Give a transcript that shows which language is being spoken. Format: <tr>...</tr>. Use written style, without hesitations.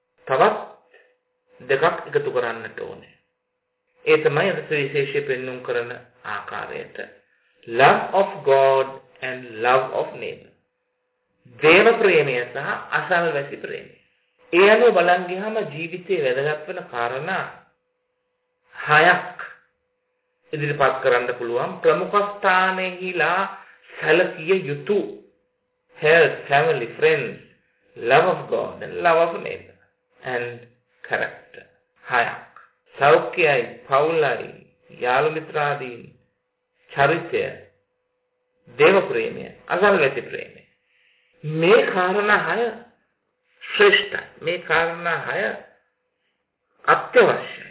<si>තවත් දෙකක් එකතු කරන්නට ඕනේ. ඒ තමයි අද සවිශේෂයෙන් පෙන්නුම් කරන ආකාරයට</si> <en>love of God and love of neighbor.</en> <si>දේව ප්‍රේමය සහ අසල්වැසි ප්‍රේමය. ඒ අනුව බලන් ගියාම ජීවිතේ වැදගත් වෙන කාරණා හයක් ඉදිරිපත් කරන්න පුළුවන්. ප්‍රමුඛස්ථානයේහිලා සැලකිය යුතු</si> <en>health, family, friends, love of God and love of neighbor and character.</en> <si>හයක්. සෞඛ්‍යයි, පවුලයි, යාළු මිත්‍රාදී, චරිතය, දේව ප්‍රේමය, අසල්වැසි ප්‍රේමය. මේ කාරණා හය ශ්‍රේෂ්ඨ. මේ කාරණා හය අත්‍යවශ්‍ය.</si>